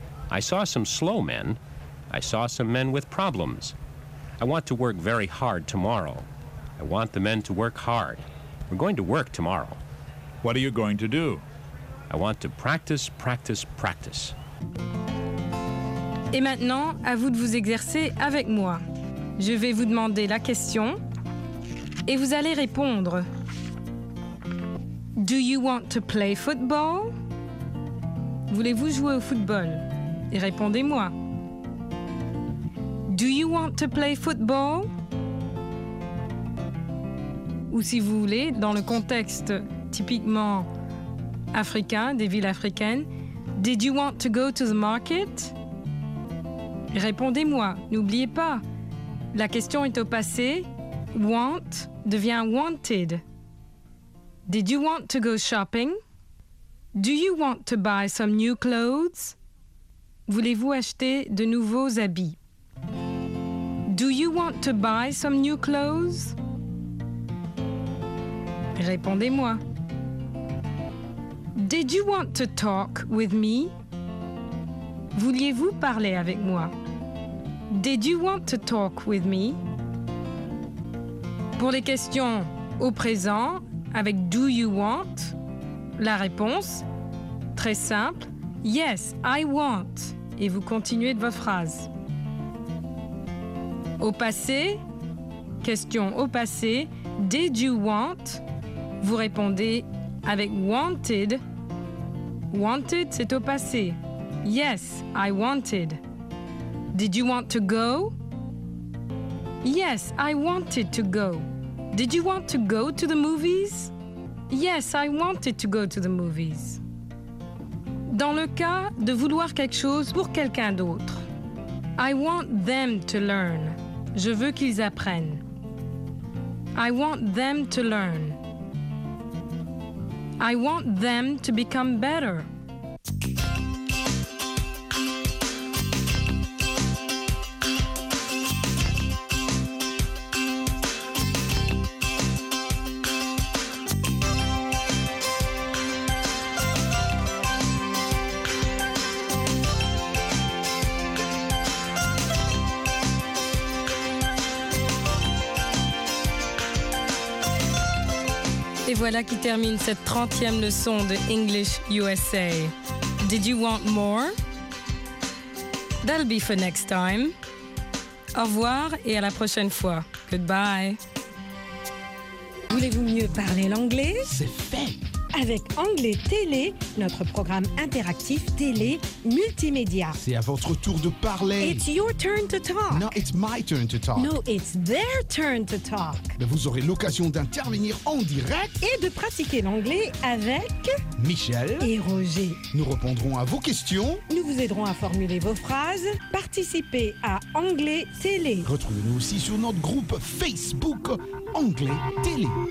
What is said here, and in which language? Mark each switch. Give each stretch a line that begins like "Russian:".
English: I saw some slow men. I saw some men with problems. I want to work very hard tomorrow. I want the men to work hard. We're going to work tomorrow. What are you going to do? I want to practice, practice, practice.
French: Et maintenant, à vous de vous exercer avec moi. Je vais vous demander la question et vous allez répondre.
English: Do you want to play football?
French: Voulez-vous jouer au football? Et répondez-moi.
English: Do you want to play football?
French: Ou si vous voulez, dans le contexte typiquement africain, des villes africaines,
English: did you want to go to the market?
French: Répondez-moi, n'oubliez pas. La question est au passé. Want devient wanted.
English: Did you want to go shopping? Do you want to buy some new clothes?
French: Voulez-vous acheter de nouveaux habits?
English: Do you want to buy some new clothes?
French: Répondez-moi.
English: Did you want to talk with me?
French: Vouliez-vous parler avec moi?
English: Did you want to talk with me?
French: Pour les questions au présent, avec «
English: Do you want ?»,
French: la réponse, très simple, «
English: Yes, I want.
French: » Et vous continuez de votre phrase. Au passé, question au passé, «
English: Did you want ?»,
French: vous répondez avec « Wanted. » « Wanted », c'est au passé.
English: « Yes, I wanted. » « Did you want to go ?»« Yes, I wanted to go. » « Did you want to go to the movies ?»« Yes, I wanted to go to the movies. »
French: Dans le cas de vouloir quelque chose pour quelqu'un d'autre.
English: I want them to learn.
French: Je veux qu'ils apprennent.
English: I want them to learn. I want them to become better.
French: Et voilà qui termine cette 30e leçon de English USA.
English: Did you want more? That'll be for next time.
French: Au revoir et à la prochaine fois.
English: Goodbye.
French: Voulez-vous mieux parler l'anglais? C'est fait! Avec Anglais Télé, notre programme interactif télé multimédia. C'est à votre tour de parler.
English: It's your turn to talk. No, it's my turn to talk. No, it's their turn to talk.
French: Mais vous aurez l'occasion d'intervenir en direct. Et de pratiquer l'anglais avec... Michel. Et Roger. Nous répondrons à vos questions. Nous vous aiderons à formuler vos phrases. Participez à Anglais Télé. Retrouvez-nous aussi sur notre groupe Facebook Anglais Télé.